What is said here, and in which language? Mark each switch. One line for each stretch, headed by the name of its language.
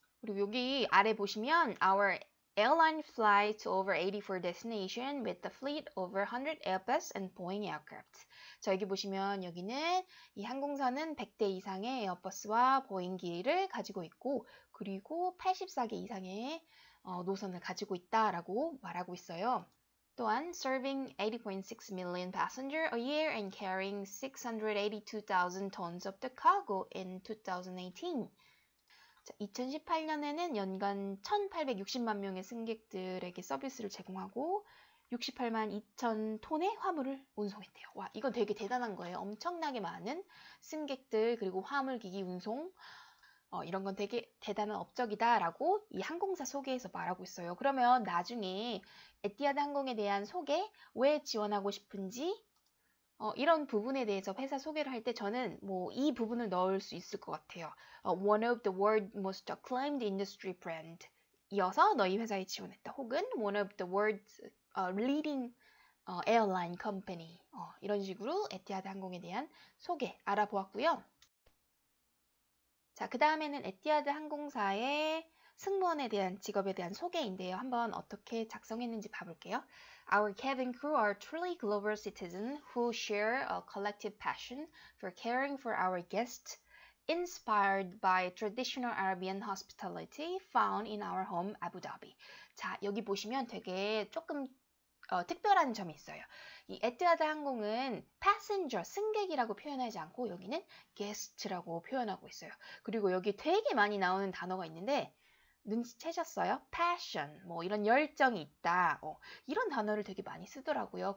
Korean: 그리고 여기 아래 보시면
English: our airline flies over 84 destinations with a fleet over 100 Airbus and Boeing aircraft.
Korean: 자, 여기 보시면 여기는 이 항공사는 100대 이상의 에어버스와 보잉기를 가지고 있고 그리고 84개 이상의 노선을 가지고 있다라고 말하고 있어요. 또한
English: serving 80.6 million passenger a year and carrying 682,000 tons of the cargo in 2018.
Korean: 자, 2018년에는 연간 1,860만 명의 승객들에게 서비스를 제공하고 68만 2천 톤의 화물을 운송했대요. 와, 이건 되게 대단한 거예요. 엄청나게 많은 승객들 그리고 화물 기기 운송 이런 건 되게 대단한 업적이다라고 이 항공사 소개에서 말하고 있어요. 그러면 나중에 에티하드 항공에 대한 소개, 왜 지원하고 싶은지 이런 부분에 대해서 회사 소개를 할때 저는 뭐이 부분을 넣을 수 있을 것 같아요.
English: One of the world most acclaimed industry brand
Korean: 이어서 너희 회사에 지원했다. 혹은
English: one of the world's leading
Korean: Airline Company 이런 식으로 에티하드 항공에 대한 소개 알아보았고요. 자, 그 다음에는 에티하드 항공사의 승무원에 대한 직업에 대한 소개인데요. 한번 어떻게 작성했는지 봐볼게요.
English: Our cabin crew are truly global citizens who share a collective passion for caring for our guests, inspired by traditional Arabian hospitality found in our home, Abu Dhabi.
Korean: 자, 여기 보시면 되게 조금 특별한 점이 있어요. 이 에티하드 항공은 passenger, 승객이라고 표현하지 않고 여기는 guest라고 표현하고 있어요. 그리고 여기 되게 많이 나오는 단어가 있는데 눈치채셨어요? passion, 뭐 이런 열정이 있다. 이런 단어를 되게 많이 쓰더라고요.